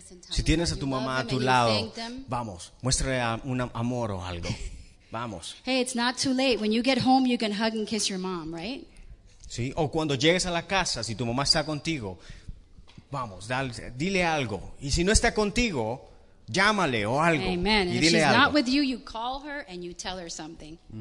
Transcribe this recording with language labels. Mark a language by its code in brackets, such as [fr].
[es] Si tienes a tu mamá a tu lado, vamos, muéstrale un amor o algo. Vamos. [en] Hey, it's not too late. When you get home, you can hug and kiss your mom, right? [es] Sí, o cuando llegues a la casa, si tu mamá está contigo, vamos, dile algo. Y si no está contigo, llámale o algo. [en] Amen. [es] Y dile [en] if she's [es] algo. [en] Not with you, you call her and you tell her something.